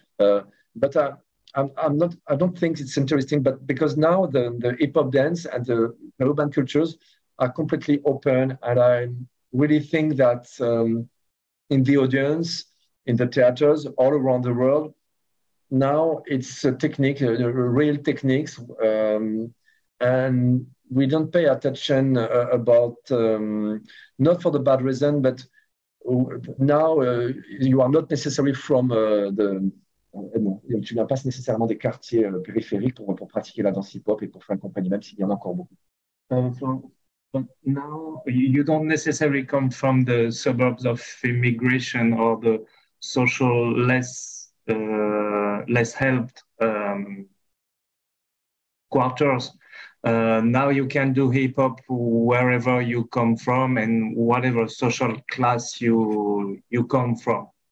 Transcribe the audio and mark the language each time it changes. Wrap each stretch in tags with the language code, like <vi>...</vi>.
<en>I don't think it's interesting, but because now the hip hop dance and the urban cultures are completely open, and I really think that in the audience, in the theaters all around the world, now it's a technique, a real techniques, and we don't pay attention about not for the bad reason, but now you are not necessary from the.</en> <fr>Non, tu viens pas nécessairement des quartiers périphériques pour pratiquer la danse hip-hop et pour faire une compagnie, même s'il y en a encore beaucoup.</fr> <en>But now you don't necessarily come from the suburbs of immigration or the social less helped quarters. Now you can do hip-hop wherever you come from and whatever social class you come from.</en>